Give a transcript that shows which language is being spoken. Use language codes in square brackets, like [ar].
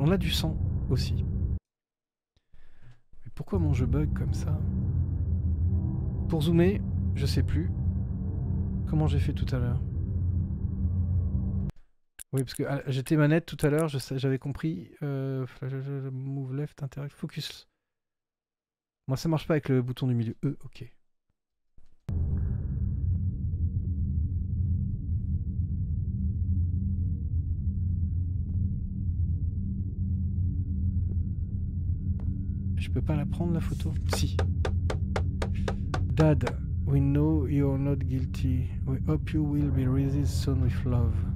[fr] On a du sang aussi. Mais pourquoi mon jeu bug comme ça? Pour zoomer, je sais plus comment j'ai fait tout à l'heure. Oui, parce que j'étais manette tout à l'heure, j'avais compris. [en] Move left, interact, focus. [fr] Moi, ça marche pas avec le bouton du milieu. E, ok. Je peux pas la prendre la photo? Si. [en] Dad, we know you're not guilty. We hope you will be raised soon with love.